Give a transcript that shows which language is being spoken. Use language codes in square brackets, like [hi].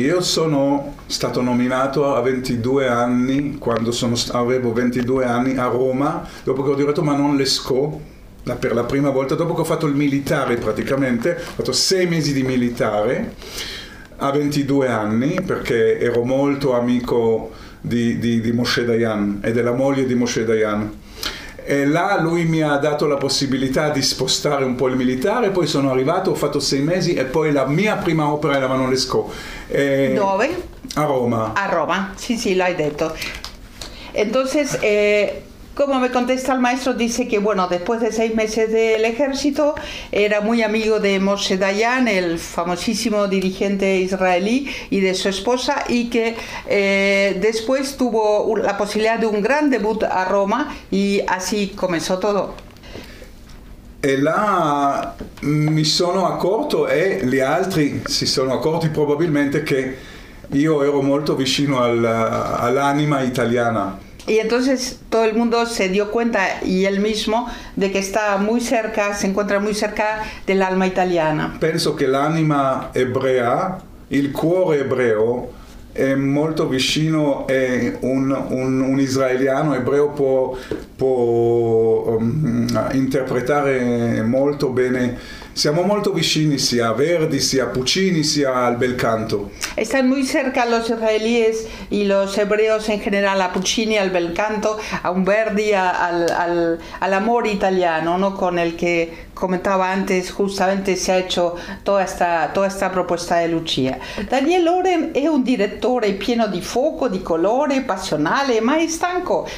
[it] Io sono stato nominato a 22 anni, quando avevo 22 anni, a Roma, dopo che ho diretto Manon Lescaut, per la prima volta, dopo che ho fatto il militare praticamente, ho fatto 6 mesi di militare a 22 anni, perché ero molto amico di Moshe Dayan e della moglie di Moshe Dayan, e là lui mi ha dato la possibilità di spostare un po' il militare. Poi sono arrivato, ho fatto 6 mesi e poi la mia prima opera era Manon Lescaut. Dove? A Roma, sì, lo hai detto. [es] Entonces, como me contesta el maestro, dice que bueno, después de 6 meses del ejército, era muy amigo de Moshe Dayan, el famosísimo dirigente israelí, y de su esposa, y que después tuvo la posibilidad de un gran debut a Roma, y así comenzó todo. [it] E là mi sono accorto, e gli altri si sono accorti probabilmente, che io ero molto vicino all'anima italiana. [es] Y entonces todo el mundo se dio cuenta, y él mismo, de que está muy cerca, se encuentra muy cerca del alma italiana. [it] Penso que l'anima ebrea, il cuore ebreo, è molto vicino, e un israeliano ebreo può interpretare molto bene. Siamo molto vicini sia a Verdi, sia a Puccini, sia al bel canto. [es] Están muy cerca los israelíes y los hebreos en general a Puccini, al bel canto, a un Verdi, al amor italiano, ¿no? Con el que comentaba antes, justamente se ha hecho toda esta propuesta de Lucia. Daniel Loren es un director pieno de foco, de colores, pasional, más estanco.